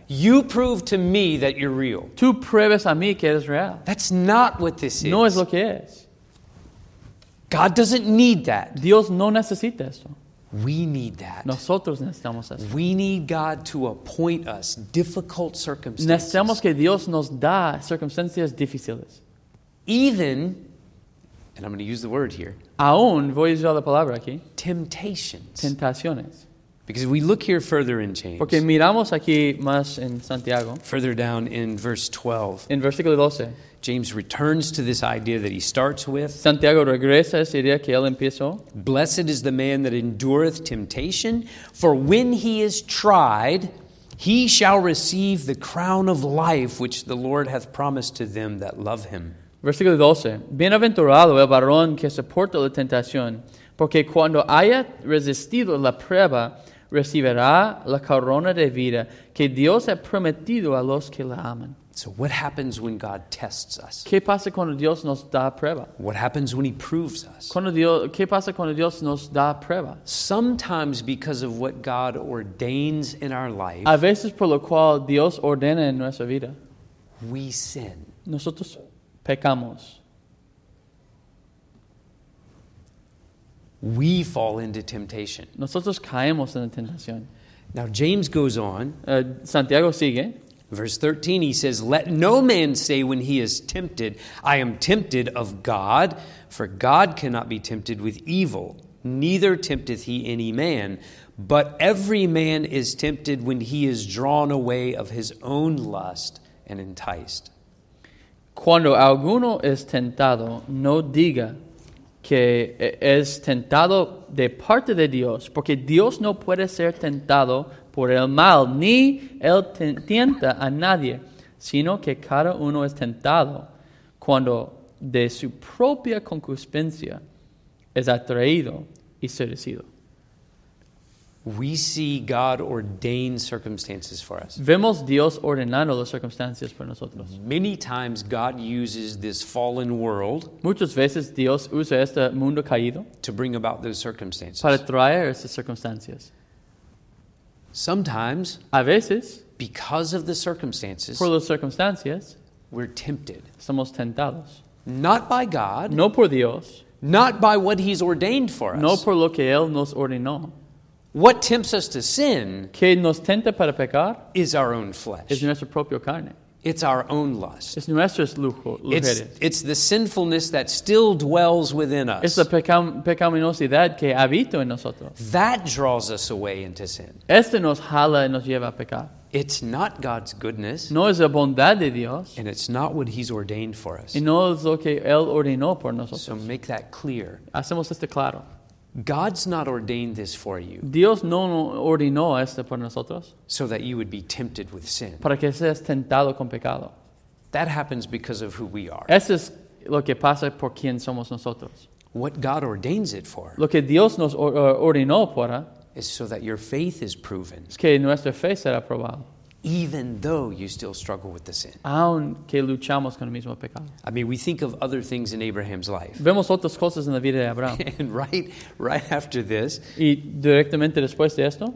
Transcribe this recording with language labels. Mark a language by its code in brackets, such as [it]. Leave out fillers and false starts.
[en] You prove to me that you're real. [es] Tú pruebas a mí que eres real. [en] That's not what this is. [es] No es lo que es. [en] God doesn't need that. [es] Dios no necesita eso. [en] We need that. [es] Nosotros necesitamos eso. [en] We need God to appoint us difficult circumstances. [es] Necesitamos que Dios nos da circunstancias difíciles. [en] Even, and I'm going to use the word here, [es] aún, voy a usar la palabra aquí. [en] Temptations. [es] Tentaciones. [en] Because we look here further in James. [es] Porque miramos aquí más en Santiago. [en] Further down in verse 12. [es] En versículo 12. [en] James returns to this idea that he starts with. [es] Santiago regresa a esa idea que él empezó. [en] Blessed is the man that endureth temptation, for when he is tried, He shall receive the crown of life which the Lord hath promised to them that love him. [es] Versículo 12. Bienaventurado el varón que soporta la tentación, porque cuando haya resistido la prueba, recibirá la corona de vida que Dios ha prometido a los que la aman. [en] So what happens when God tests us? [es] ¿Qué pasa cuando Dios nos da prueba? [en] What happens when he proves us? [es] ¿Qué pasa cuando Dios nos da prueba? [en] Sometimes because of what God ordains in our life, [es] a veces por lo cual Dios ordena en nuestra vida, [en] we sin. [es] Nosotros pecamos. [en] We fall into temptation. [es] Nosotros caemos en la tentación. [en] Now James goes on. [es] Santiago sigue. [en] Verse 13, he says, let no man say when he is tempted, I am tempted of God, for God cannot be tempted with evil, neither tempteth he any man. But every man is tempted when he is drawn away of his own lust and enticed. [es] Cuando alguno es tentado, no diga que es tentado de parte de Dios, porque Dios no puede ser tentado por el mal, ni él tienta a nadie, sino que cada uno es tentado cuando de su propia concupiscencia es atraído y seducido. [en] We see God ordain circumstances for us. [es] Vemos Dios ordenando las circunstancias para nosotros. [en] Many times God uses this fallen world. [es] Muchas veces Dios usa este mundo caído [en] to bring about those circumstances. [es] Para traer esas circunstancias. [en] Sometimes, [es] a veces, [en] because of the circumstances, [es] por las circunstancias, [en] we're tempted. [es] Somos tentados. [en] Not by God. [es] No por Dios. [en] Not by what he's ordained for us. [es] No por lo que él nos ordenó. [en] What tempts us to sin, [es] que nos tenta para pecar, [en] is our own flesh. [es] Es nuestra propia carne. [en] It's our own lust. [es] Es nuestras lujurias. [en] It's the sinfulness that still dwells within us. [es] Es la pecaminosidad que habita en nosotros. [en] That draws us away into sin. [es] Este nos jala y nos lleva a pecar. [en] It's not God's goodness. [es] No es la bondad de Dios. [en] And it's not what he's ordained for us. [es] Y no es lo que él ordenó por nosotros. [en] So make that clear. [es] Hacemos esto claro. [en] God's not ordained this for you. [es] Dios no ordenó esto por nosotros. [en] So that you would be tempted with sin. [es] Para que seas tentado con pecado. [en] That happens because of who we are. [es] Eso es lo que pasa por quien somos nosotros. [en] What God ordains it for. [es] Lo que Dios nos ordenó para. [en] Is so that your faith is proven. [es] Es que nuestra fe será probada. [en] Even though you still struggle with the sin. [es] Aunque luchamos con el mismo pecado. [en] I mean, we think of other things in Abraham's life. [es] Vemos otras cosas en la vida de Abraham. [en] And right after this. [es] Y directamente después de esto.